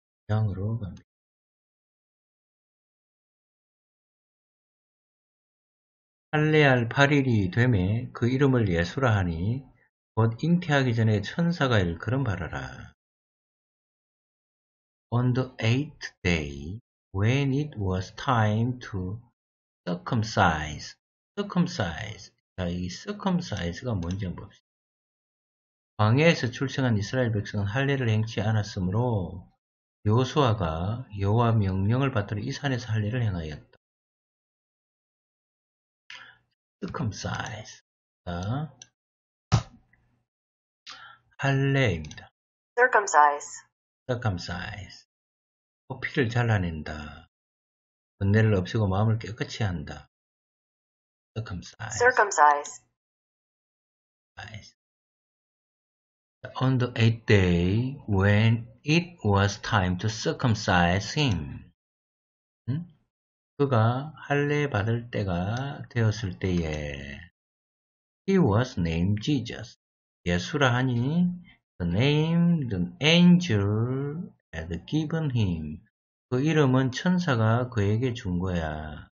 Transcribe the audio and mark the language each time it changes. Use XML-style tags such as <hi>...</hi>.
<ko>양으로 갑니다. 할례할 8일이 되매 그 이름을 예수라 하니 곧 잉태하기 전에 천사가 일컬음 바라라.</ko> <en>On the eighth day, when it was time to circumcise.</en> <ko>Circumcise. 자, 이 circumcise가 뭔지 한번 봅시다. 광야에서 출생한 이스라엘 백성은 할례를 행치 않았으므로 여호수아가 여호와 명령을 받더니 이 산에서 할례를 행하였다.</ko> <en>Circumcise.</en> <ko>할례입니다.</ko> <en>Circumcise.</en> <ko>코피를 잘라낸다. 번뇌를 없애고 마음을 깨끗이 한다.</ko> <en>Circumcise. On the eighth day, when it was time to circumcise him.</en> <ko>응? 그가 할례 받을 때가 되었을 때에,</ko> <en>he was named Jesus.</en> <ko>예수라 하니,</ko> <en>the name the angel had given him.</en> <ko>그 이름은 천사가 그에게 준 거야.</ko>